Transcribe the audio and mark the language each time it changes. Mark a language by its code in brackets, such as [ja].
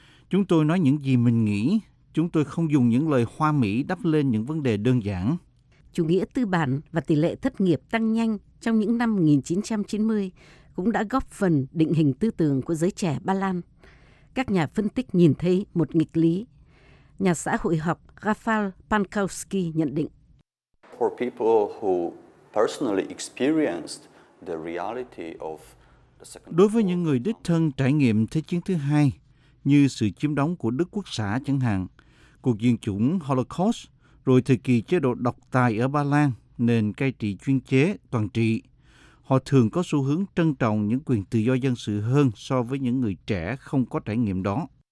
[vi] Chúng tôi nói những gì mình nghĩ. Chúng tôi không dùng những lời hoa mỹ đắp lên những vấn đề đơn giản. Chủ nghĩa tư bản và tỷ lệ thất nghiệp tăng nhanh trong những năm 1990 cũng đã góp phần định hình tư tưởng của giới trẻ Ba Lan. Các nhà phân tích nhìn thấy một nghịch lý. Nhà xã hội học Rafał Pankowski nhận định: [en] For people who personally experienced the reality of the second... [vi] Đối với những người đích thân trải nghiệm Thế chiến thứ hai, như sự chiếm đóng của Đức Quốc xã chẳng hạn, cuộc diệt chủng Holocaust, rồi thời kỳ chế độ độc tài ở Ba Lan nền cai trị chuyên chế, toàn trị. Họ thường có xu hướng trân trọng những quyền tự do dân sự hơn so với những người trẻ không có trải nghiệm đó.